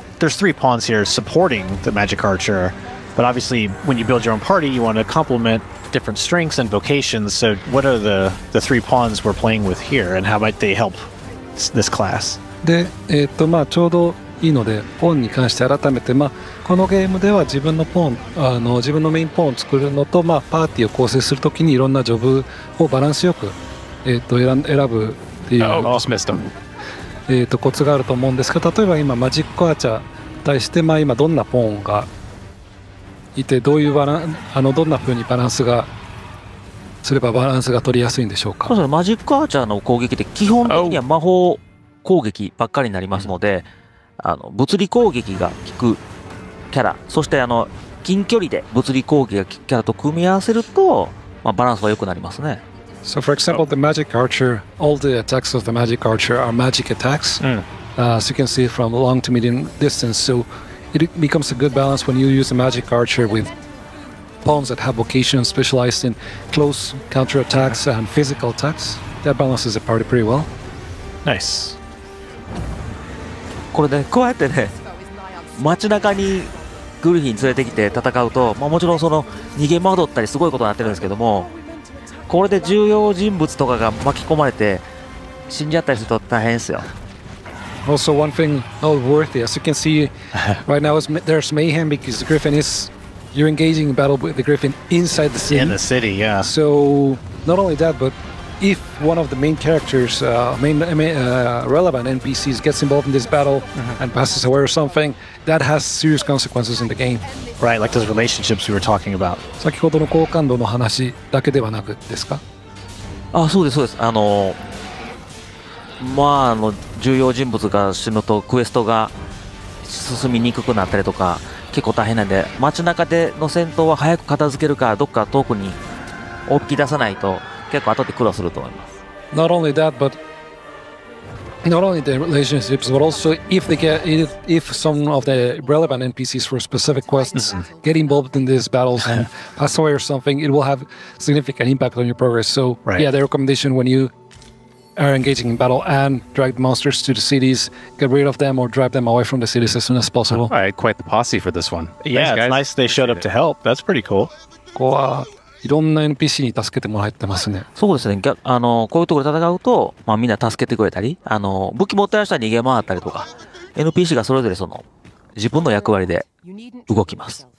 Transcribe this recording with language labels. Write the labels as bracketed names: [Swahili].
[English] There's three pawns here supporting the magic archer, but obviously when you build your own party, you want to complement different strengths and vocations. So what are the three pawns we're playing with here, and how might they help this class? [Japanese] で、まあちょうどいいのでポーンに関して改めて、まあ、このゲームでは自分のポーン、あの自分のメインポーンを作るのと、まあ、パーティーを構成するときにいろんなジョブをバランスよく、選ぶっていう、コツがあると思うんですけど、例えば今マジックアーチャーに対して、まあ、今どんなポーンがいてどういうバランあのどんな風にバランスがすればバランスが取りやすいんでしょうか。そうですね、マジックアーチャーの攻撃って基本的には魔法攻撃ばっかりになりますので、あの物理攻撃が効くキャラ、そしてあの近距離で物理攻撃が効くキャラと組み合わせると、まあ、バランスは良くなりますね。 [English] So for example, the magic archer, all the attacks of the magic archer are magic attacks. As you can see from long to medium distance, so it becomes a good balance when you use a magic archer with pawns that have vocation specialized in close counter attacks and physical attacks. That balances the party pretty well. Nice. [Japanese] これね、こうやってね、街中にグリフィン連れてきて戦うと、まあ、もちろんその逃げ惑ったりすごいことになってるんですけども、これで重要人物とかが巻き込まれて死んじゃったりすると大変ですよ。 [English] Also one thing noteworthy, as you can see right now, there's mayhem because griffin is you're engaging in battle with the griffin inside the city. In the city, yeah. So not only that, butIf one of the main characters, relevant NPCs gets involved in this battle and passes away or something, that has serious consequences in the game. Right, like those relationships we were talking about. [Japanese] 先ほどの好感度の話だけではなくですか? あ、そうですそうです。まあ、重要人物が死ぬとクエストが進みにくくなったりとか結構大変なんで、街中での戦闘は早く片付けるか、どっか遠くに置き出さないと結構後で苦労すると思います。 [English] Not only that, but not only the relationships, but also if they get, if some of the relevant NPCs for specific quests get involved in these battles and pass away or something, it will have significant impact on your progress. So right. Yeah, the recommendation when youare engaging in battle and drag the monsters to the cities, get rid of them or drive them away from the cities as soon as possible. All right, quite the posse for this one. Yeah, thanks, it's guys. Nice they showed up to help. That's pretty cool. [Japanese] ここはいろんな NPC に助けてもらってますね。そうですね。こういうところで戦うと、まあ、みんな助けてくれたり、武器持ってらしたら逃げ回ったりとか、NPC がそれぞれその自分の役割で動きます。